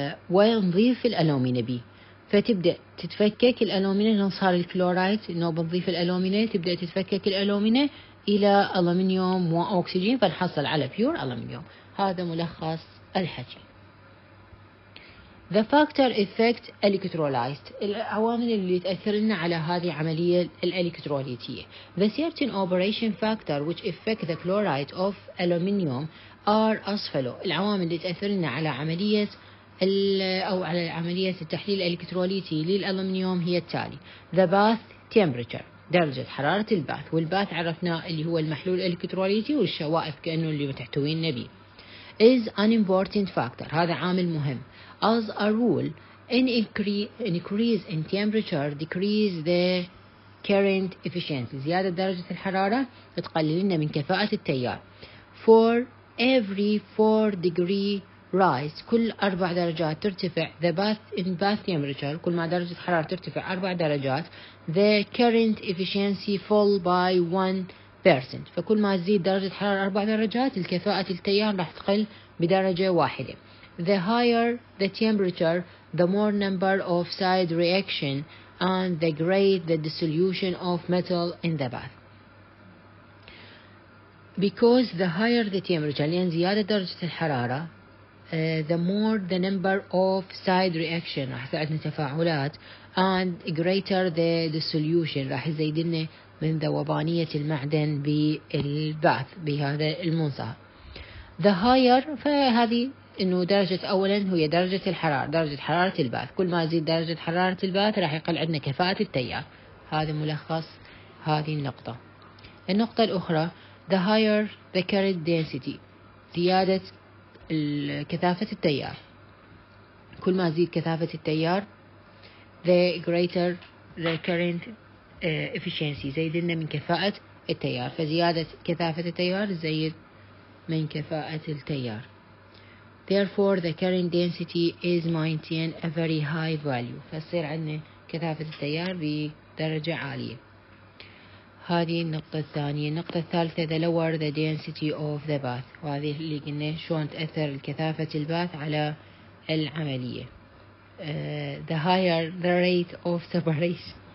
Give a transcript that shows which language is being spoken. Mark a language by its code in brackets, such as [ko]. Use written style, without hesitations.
[ar] ونضيف الألومينا بي، فتبدأ تتفكك الألومينا، نصهر الكلورايد، إنه بنضيف الألومينا تبدأ تتفكك الألومينا إلى ألومنيوم وأكسجين، فنحصل على بيور ألومنيوم. هذا ملخص الحكي. [en] The factor effect electrolyte. [ar] العوامل اللي تأثر لنا على هذه العملية الإلكتروليتية. [en] The certain operation factor which affect the chloride of aluminium are as follows. [ar] العوامل اللي تأثر لنا على عملية أو على عملية التحليل الإلكتروليتي للألومنيوم هي التالي. [en] The bath temperature. [ar] درجة حرارة الباث. والباث عرفنا اللي هو المحلول الإلكتروليتي والشوائف كأنه اللي متحتوين به. [en] Is an important factor. [ar] هذا عامل مهم. [en] As a rule, an increase in temperature decreases the current efficiency. [ar] زيادة درجة الحرارة تقلل لنا من كفاءة التيار. [en] For every 4 degree rise, [ar] كل 4 درجات ترتفع [en] the bath temperature. [ar] كل ما درجة الحرارة ترتفع 4 درجات, [en] the current efficiency fall by 1%. [ar] فكل ما تزيد درجة الحرارة 4 درجات, الكفاءة التيار راح تقل بدرجة واحدة. [en] The higher the temperature, the more number of side reaction and the greater the dissolution of metal in the bath. Because the higher the temperature, [ar] لأن زيادة درجة الحرارة, [en] the more the number of side reaction, [ar] راح تساعدنا تفاعلات, [en] and greater the dissolution, [ar] راح يزيد لنا من ذوبانية المعدن بالبعث بهذا المنصه. [en] The higher, [ar] فهذه انه درجة اولا هي درجة الحرارة, درجة حرارة البعث. كل ما زيد درجة حرارة البعث راح يقل عندنا كفاءة التيار. هذا ملخص هذه النقطة. النقطة الاخرى, [en] the higher the current density, [ar] زيادة الكثافة التيار. كل ما زيد كثافة التيار, [en] the greater the current efficiency, [ar] زيد لنا من كفاءة التيار. فزيادة كثافة التيار زيد من كفاءة التيار. [en] Therefore the current density is maintained a very high value. [ar] فصير عندنا كثافة التيار بدرجة عالية. هذه النقطة الثانية. النقطة الثالثة, [en] the lower the density of the bath. [ar] وهذه اللي قلنا شلون تأثر كثافة الباث على العملية. [en] The higher the rate of separation.